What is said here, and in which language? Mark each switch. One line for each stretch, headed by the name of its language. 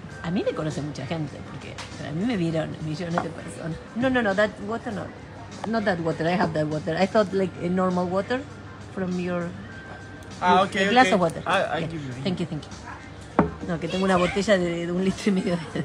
Spanish: mí me conoce mucha gente, porque a mí me vieron millones de personas.
English: No, that water, no. Not that water, I have that water. I thought like a normal water from your... Okay, a glass okay. of water. I give you. Thank you.
Spanish: No, que tengo una botella de un litro y medio.